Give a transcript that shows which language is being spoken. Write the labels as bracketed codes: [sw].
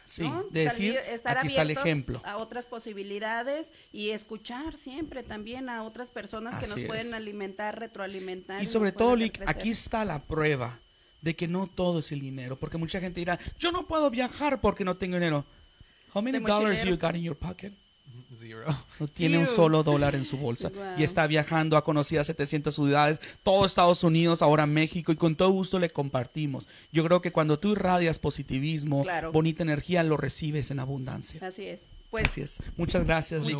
[es] Sí, de decir, estar aquí está el ejemplo. A otras posibilidades y escuchar siempre también a otras personas. Así que nos es. Pueden alimentar, retroalimentar. Y sobre todo, Lick, aquí está la prueba de que no todo es el dinero, porque mucha gente dirá, yo no puedo viajar porque no tengo dinero. [en] How many dollars you got in your pocket? Zero. [es] No tiene un solo dólar en su bolsa. Wow. Y está viajando, ha conocido 700 ciudades, todo Estados Unidos, ahora México, y con todo gusto le compartimos. Yo creo que cuando tú irradias positivismo, claro, bonita energía, lo recibes en abundancia. Así es. Pues, así es. Muchas gracias, Lick.